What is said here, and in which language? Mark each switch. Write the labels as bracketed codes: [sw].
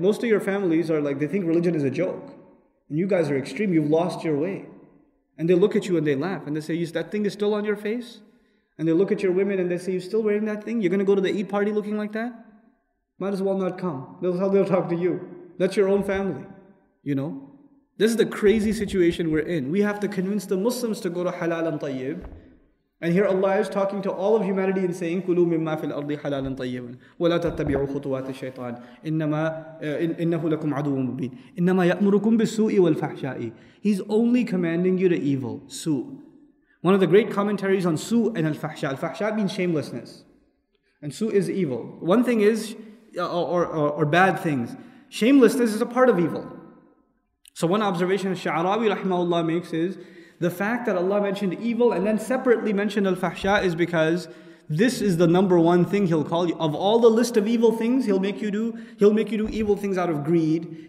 [en] Most of your families are like, they think religion is a joke. And you guys are extreme, you've lost your way. And they look at you and they laugh. And they say, that thing is still on your face? And they look at your women and they say, you're still wearing that thing? You're going to go to the Eid party looking like that? Might as well not come. That's how they'll talk to you. That's your own family. You know? This is the crazy situation we're in. We have to convince the Muslims to go to halal and tayyib. And here Allah is talking to all of humanity and saying, [ar] كُلُوا مِمَّا فِي الْأَرْضِ حَلَالًا طَيِّبًا وَلَا تَتَّبِعُوا خُطُوَاتِ الشَّيْطَانِ إِنَّهُ لَكُمْ عَدُوٌ مُبِينٌ إِنَّمَا يَأْمُرُكُمْ بِالسُّوءِ وَالْفَحْشَاءِ. [en] He's only commanding you to evil, su'. One of the great commentaries on su' and al-fahsha. Al-fahsha means shamelessness. And su' is evil. One thing is, or bad things. Shamelessness is a part of evil. So one observation Sha'arawi rahimahullah makes is, the fact that Allah mentioned evil and then separately mentioned al-fahsha is because this is the number one thing He'll call you. Of all the list of evil things He'll make you do, He'll make you do evil things out of greed.